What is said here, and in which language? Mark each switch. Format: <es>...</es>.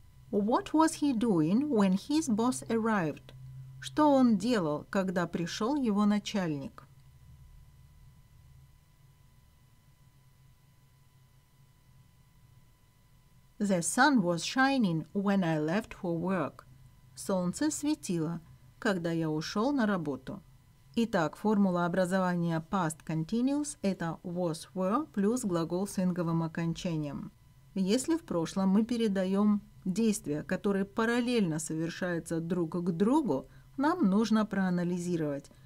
<en>What was he doing when his boss arrived?</en> <ru>Что он делал, когда пришел его начальник?</ru> <en>The sun was shining when I left for work.</en> <ru>Солнце светило, когда я ушел на работу. Итак, формула образования past continuous – это was, were плюс глагол с инговым окончанием. Если в прошлом мы передаем действия, которые параллельно совершаются друг к другу, нам нужно проанализировать.</ru>